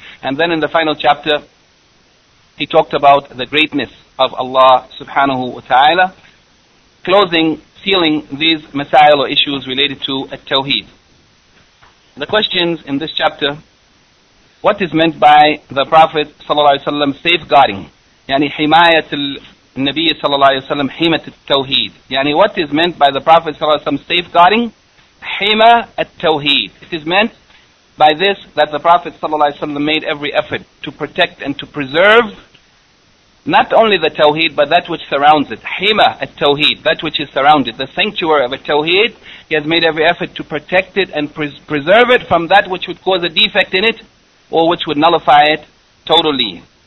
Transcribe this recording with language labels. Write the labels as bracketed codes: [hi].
[en] And then in the final chapter, he talked about the greatness of Allah subhanahu wa ta'ala, closing, sealing these masail or issues related to at-tawheed. The questions in this chapter, what is meant by the Prophet ﷺ safeguarding, yani himayat [ar] النبي صلى الله عليه وسلم حمة التوحيد. [en] يعني what is meant by the Prophet صلى الله عليه وسلم safeguarding حمة التوحيد. It is meant by this that the Prophet صلى الله عليه وسلم made every effort to protect and to preserve not only the Tawheed, but that which surrounds it. Hima al-Tawheed, that which is surrounded. The sanctuary of a Tawheed, he has made every effort to protect it and preserve it from that which would cause a defect in it, or which would nullify it totally.